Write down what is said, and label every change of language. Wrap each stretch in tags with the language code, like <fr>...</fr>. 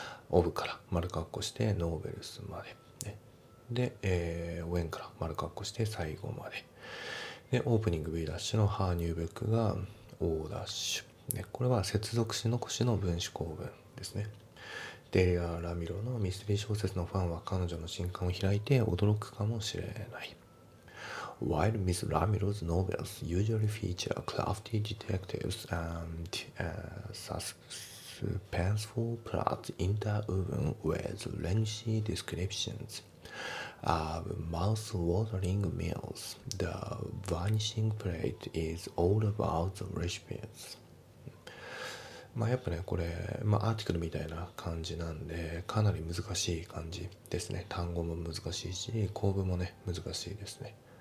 <ja>Of から丸括弧して Novels まで。ね、で、When から丸括弧して最後まで。で、Opening V ダッシュの</ja> <en>her new book</en> <ja>が O ダッシュ。ね、これは接続詞の故事の分子構文ですね。デリア・ラミロのミステリー小説のファンは彼女の新刊を開いて驚くかもしれない。</ja> <en>While Miss Ramiro's novels usually feature crafty detectives and suspenseful plots interwoven with lengthy descriptions of mouth-watering meals, The Vanishing Plate is all about the recipes.</en> <ja>まあ、やっぱね、これ、まあ、アーティクルみたいな感じなんで、かなり難しい感じですね。単語も難しいし、構文もね、難しいですね。</ja>